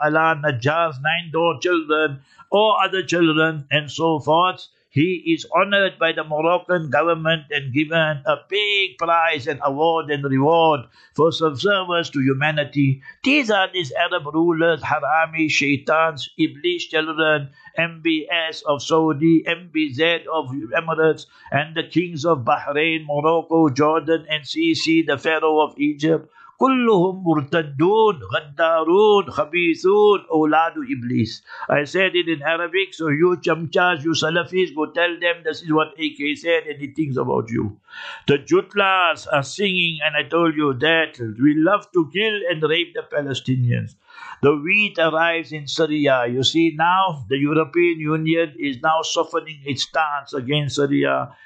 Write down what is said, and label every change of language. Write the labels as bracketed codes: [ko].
[en] Alaa Najjar's 9 door children or other children and so forth, he is honored by the Moroccan government and given a big prize and award and reward for subservience to humanity. These are these Arab rulers, harami, shaitans, iblis children, MBS of Saudi, MBZ of Emirates, and the kings of Bahrain, Morocco, Jordan, and Sisi, the Pharaoh of Egypt. [ar] كلهم مرتدون غدارون خبيثون أولاد إبليس. [en] I said it in Arabic, so you chamchas, you Salafis, go tell them this is what AK said and he thinks about you. The Jutlas are singing, and I told you that we love to kill and rape the Palestinians. The wheat arrives in Syria. You see, now the European Union is now softening its stance against Syria.